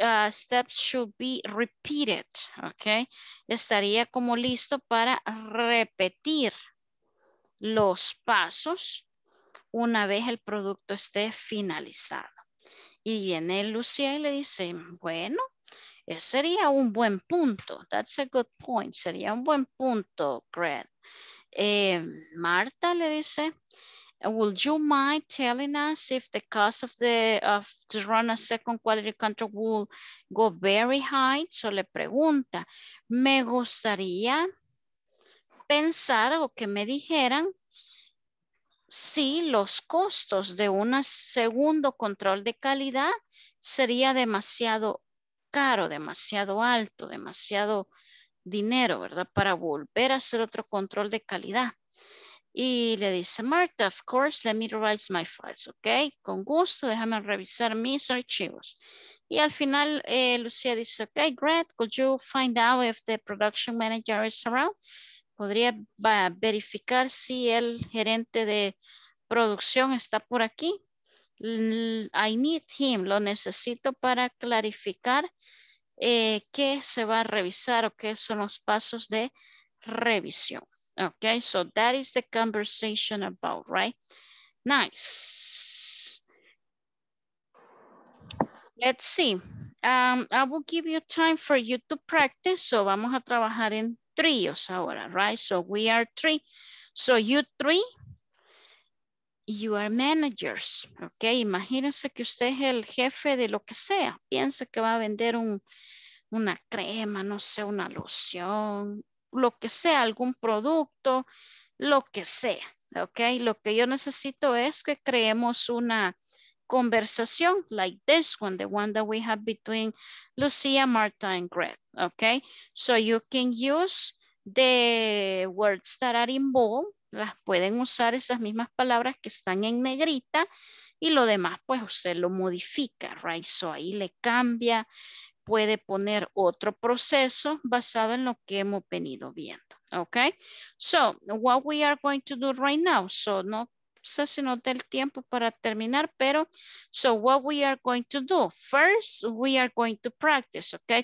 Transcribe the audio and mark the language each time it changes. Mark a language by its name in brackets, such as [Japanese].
[English] steps should be repeated, okay? [Spanish] Estaría como listo para repetir los pasos una vez el producto esté finalizado. Y viene Lucía y le dice, bueno, ese sería un buen punto. [English] That's a good point. [Spanish] Sería un buen punto, [English] Greg. [Spanish] Marta le dice, [English] would you mind telling us if the cost of the of to run a second quality control will go very high? [Spanish] So le pregunta, me gustaría pensar o que me dijeran si los costos de un segundo control de calidad sería demasiado caro, demasiado alto, demasiado dinero, ¿verdad? Para volver a hacer otro control de calidad. Y le dice, [English] Marta, of course, let me revise my files, ¿ok? [Spanish] Con gusto, déjame revisar mis archivos. Y al final, Lucía dice, [English] ok, Greg, could you find out if the production manager is around? [Spanish] ¿Podría verificar si el gerente de producción está por aquí? [English] I need him, [Spanish] lo necesito para clarificar qué se va a revisar o qué son los pasos de revisión. [English] Okay, so that is the conversation about, right? Nice. Let's see. I will give you time for you to practice. [Spanish] So vamos a trabajar en tríos ahora, right? [English] So we are three. So you three, you are managers, okay? [Spanish] Imagínense que usted es el jefe de lo que sea. Piense que va a vender una crema, no sé, una loción, lo que sea, algún producto, lo que sea, okay? Lo que yo necesito es que creemos una conversación [English] like this one, the one that we have between Lucía, Marta, and Greg, okay? So you can use the words that are in bold. [Spanish] Las pueden usar esas mismas palabras que están en negrita y lo demás, pues usted lo modifica, right? So ahí le cambia, puede poner otro proceso basado en lo que hemos venido viendo, okay? [English] So what we are going to do right now, so [Spanish] no sé si nos da el tiempo para terminar, [English] pero so what we are going to do, first we are going to practice, okay?